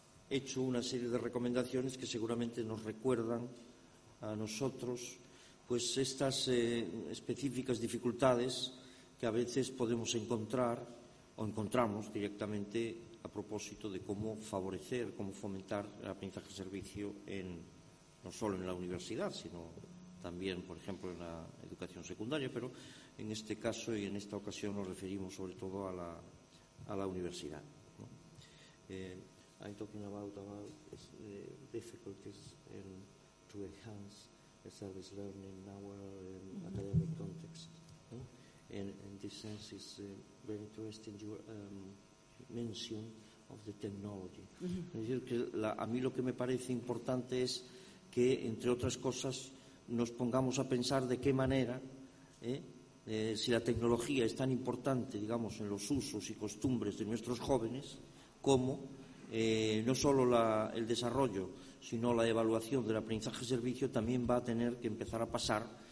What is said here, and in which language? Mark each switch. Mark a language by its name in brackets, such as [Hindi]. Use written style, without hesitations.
[Spanish] hecho una serie de recomendaciones que seguramente nos recuerdan a nosotros pues estas específicas dificultades que a veces podemos encontrar o encontramos directamente a propósito de cómo favorecer, cómo fomentar el aprendizaje-servicio en, no solo en la universidad, sino también, por ejemplo, en la educación secundaria, pero en este caso y en esta ocasión nos referimos sobre todo a la universidad, ¿no? [English] I'm talking about difficulties in to enhance the service learning in our academic context. In this sense, it's very interesting your mention of the technology. [Spanish] Es decir, que a mí lo que me parece importante es que, entre otras cosas, nos pongamos a pensar de qué manera, si la tecnología es tan importante, digamos, en los usos y costumbres de nuestros jóvenes, cómo no solo el desarrollo, sino la evaluación del aprendizaje-servicio también va a tener que empezar a pasar